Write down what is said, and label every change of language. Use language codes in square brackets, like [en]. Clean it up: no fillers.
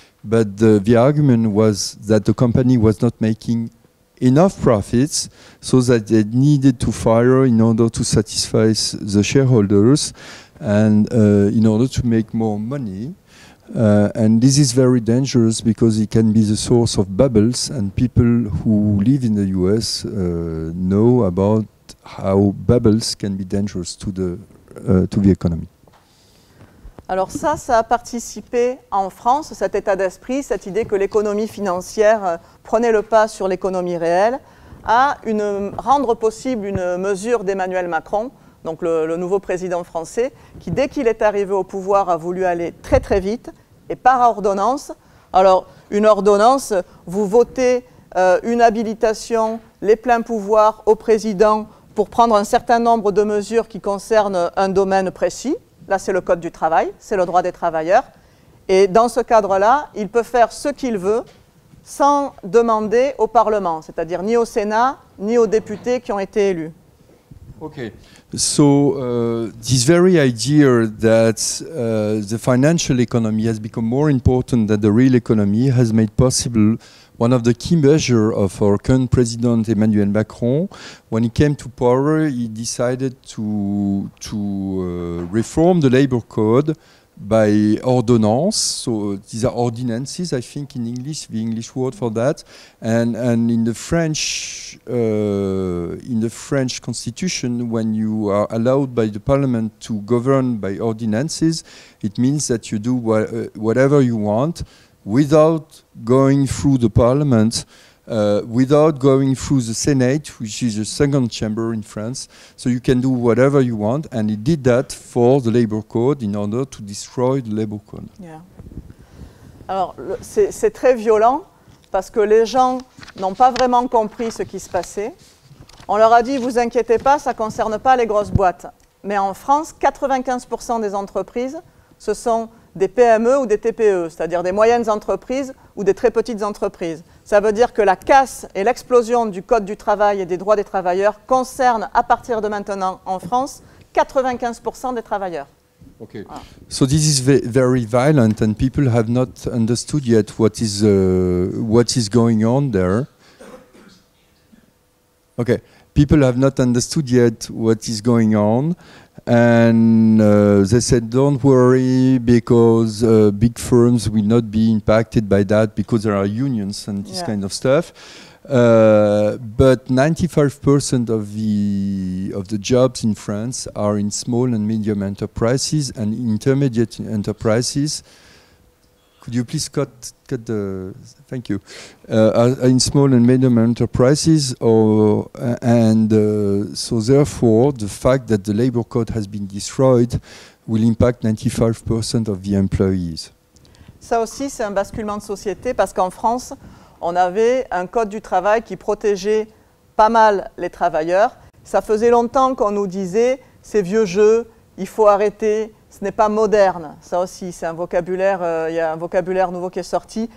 [en] But the argument was that the company was not making enough profits, so that they needed to fire in order to satisfy the shareholders and in order to make more money. And this is very dangerous because it can be the source of bubbles, and people who live in the US know about how bubbles can be dangerous to the economy. [fr] Alors ça a participé en France, cet état d'esprit, cette idée que l'économie financière prenait le pas sur l'économie réelle, à rendre possible une mesure d'Emmanuel Macron, donc le nouveau président français, qui dès qu'il est arrivé au pouvoir a voulu aller très très vite, et par ordonnance. Alors une ordonnance, vous votez une habilitation, les pleins pouvoirs au président pour prendre un certain nombre de mesures qui concernent un domaine précis. Là, c'est le code du travail, c'est le droit des travailleurs. Et dans ce cadre-là, il peut faire ce qu'il veut sans demander au Parlement, c'est-à-dire ni au Sénat, ni aux députés qui ont été élus. [en] OK. So, this very idea that the financial economy has become more important than the real economy has made possible one of the key measures of our current president Emmanuel Macron. When he came to power, he decided to reform the labor code by ordonnance. So these are ordinances, I think, in English, the English word for that. And in the French constitution, when you are allowed by the parliament to govern by ordinances, it means that you do whatever you want, without going through the parliament, without going through the Senate, which is the second chamber in France. So you can do whatever you want. And he did that for the labor code in order to destroy the labor code. Yeah. [fr] Alors, c'est très violent parce que les gens n'ont pas vraiment compris ce qui se passait. On leur a dit, vous inquiétez pas, ça concerne pas les grosses boîtes. Mais en France, 95% des entreprises, ce sont des PME ou des TPE, c'est-à-dire des moyennes entreprises ou des très petites entreprises. Ça veut dire que la casse et l'explosion du code du travail et des droits des travailleurs concernent, à partir de maintenant, en France, 95% des travailleurs. Okay. Ah. [en] So this is very violent and people have not understood yet what is going on there. Okay. People have not understood yet what is going on. And they said, don't worry, because big firms will not be impacted by that, because there are unions and this, yeah, kind of stuff. But 95% of the jobs in France are in small and medium enterprises and intermediate enterprises. Could you please cut the... Thank you. In small and medium enterprises, so therefore, the fact that the labor code has been destroyed will impact 95% of the employees. [fr] Ça aussi, c'est un basculement de société, parce qu'en France, on avait un code du travail qui protégeait pas mal les travailleurs. Ça faisait longtemps qu'on nous disait, c'est vieux jeu, il faut arrêter. Ce n'est pas moderne, ça aussi, c'est un vocabulaire, il y a un vocabulaire nouveau qui est sorti.